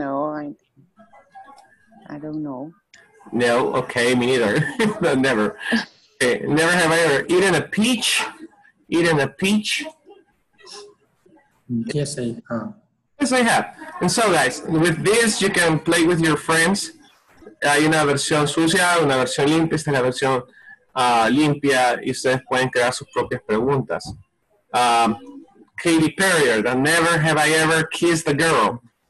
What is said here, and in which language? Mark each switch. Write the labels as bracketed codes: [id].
[en] No, I don't know. No, okay, me neither. Never. Okay, never have I ever eaten a peach. Eaten a peach. Yes, I have. Yes, I have. And so, guys, with this, you can play with your friends. [es] Hay una versión sucia, una versión limpia, esta es la versión limpia, y ustedes pueden crear sus propias preguntas. [en] Katy Perry, the never have I ever kissed a girl.